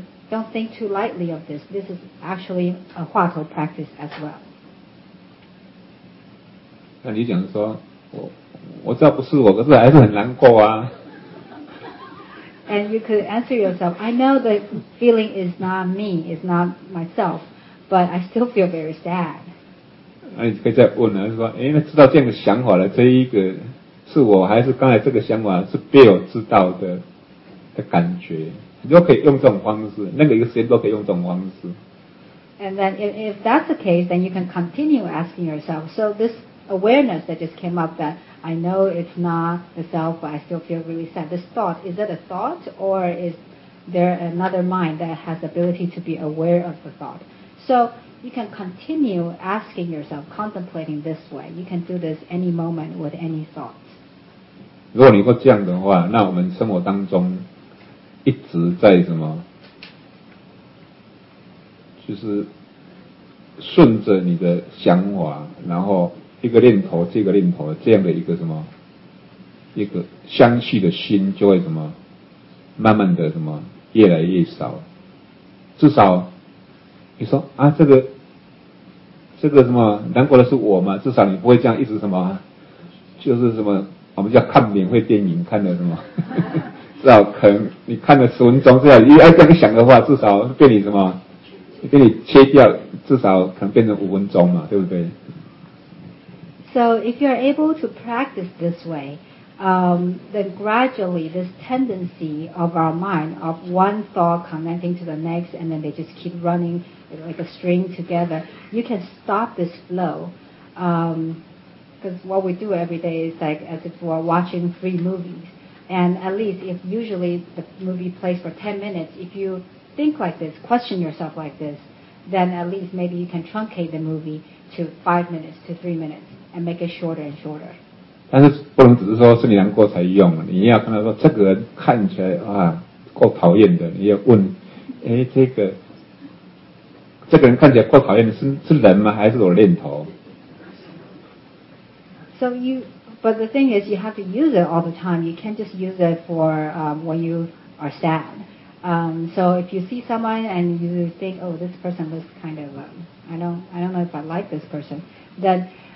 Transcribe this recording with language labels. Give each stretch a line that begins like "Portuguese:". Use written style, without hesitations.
English: Don't think too lightly of this. This is actually a 话头 practice as well.
Chinese: 那你讲说我知道不是我，可是还是很难过啊。
English: And you could answer yourself, I know the feeling is not me, it's not myself, but I still feel very sad.
Chinese: 那你可以再问了，说，哎，那知道这样的想法了，这一个是我还是刚才这个想法是被我知道的感觉？你都可以用这种方式，那个一个时间都可以用这种方式。
English: And then if that's the case, then you can continue asking yourself, so this awareness that just came up thatI know it's not the self, but I still feel really sad. This thought, is it a thought, or is there another mind that has the ability to be aware of the thought? So you can continue asking yourself, contemplating this way. You can do this any moment with any thought.
Chinese: 如果你能够这样的话，那我们生活当中一直在什么，就是顺着你的想法，然后一个念头，这个念头，这样的一个什么，一个相续的心，就会什么，慢慢的什么，越来越少。至少，你说啊，这个什么难过的是我嘛？至少你不会这样一直什么，就是什么我们叫看免费电影看的什么，至少可能你看了十分钟，至少你要这样想的话，至少被你什么，被你切掉，至少可能变成五分钟嘛，对不对？
English: So if you are able to practice this way, then gradually this tendency of our mind of one thought connecting to the next and then they just keep running like a string together, you can stop this flow. Because what we do every day is like as if we're watching three movies. And at least if usually the movie plays for 10 minutes, if you think like this, question yourself like this, then at least maybe you can truncate the movie to 5 minutes, to 3 minutes. And make it shorter and shorter.
Chinese: 但是不能只是说是你难过才用，你要看到说这个人看起来啊够讨厌的，你要问，哎，这个人看起来够讨厌的是人吗？还是我念头
English: ？So you, but the thing is, you have to use it all the time. You can't just use it for when you are sad. So if you see someone and you think, oh, this person looks kind of, I don't know if I like this person, then.